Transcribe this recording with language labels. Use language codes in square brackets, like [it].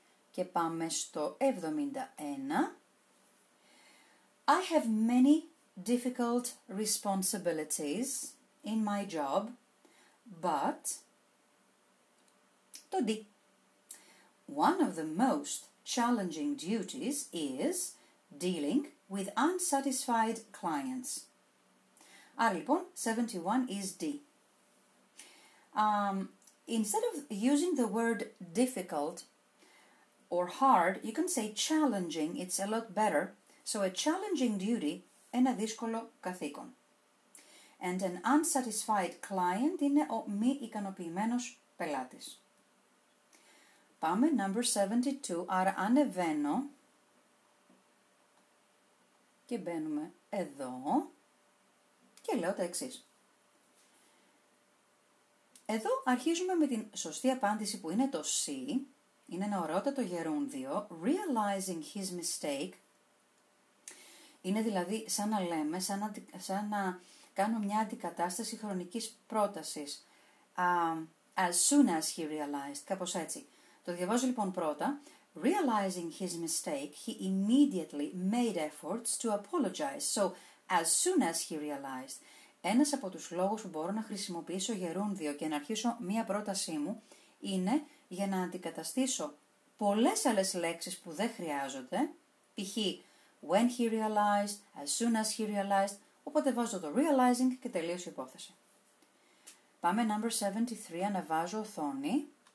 [el] Και πάμε στο 71. [en] I have many difficult responsibilities in my job, but [el] το D. [en] One of the most challenging duties is dealing with unsatisfied clients. [el] Άρα λοιπόν, 71 is D. [en] Instead of using the word difficult or hard, you can say challenging, it's a lot better. So a challenging duty, [el] ένα δύσκολο καθήκον. [en] And an unsatisfied client [el] είναι ο μη ικανοποιημένος πελάτης. Πάμε number 72, άρα ανεβαίνω και μπαίνουμε εδώ και λέω τα εξής. Εδώ αρχίζουμε με την σωστή απάντηση που είναι το C, είναι ένα ωραίοτατο γερούνδιο, [en] realizing his mistake, [el] είναι δηλαδή σαν να λέμε, σαν να κάνω μια αντικατάσταση χρονικής πρότασης, [en] as soon as he realized, [el] κάπως έτσι. Το διαβάζω λοιπόν πρώτα. [en] Realizing his mistake, he immediately made efforts to apologize. So, as soon as he realized. [el] Ένας από τους λόγους που μπορώ να χρησιμοποιήσω γερούνδιο και να αρχίσω μία πρότασή μου είναι για να αντικαταστήσω πολλές άλλες λέξεις που δεν χρειάζονται. Π.χ. [en] when he realized, as soon as he realized. [el] Οπότε βάζω το realizing και τελείωσε η υπόθεση. Πάμε number 73, ανεβάζω οθόνη.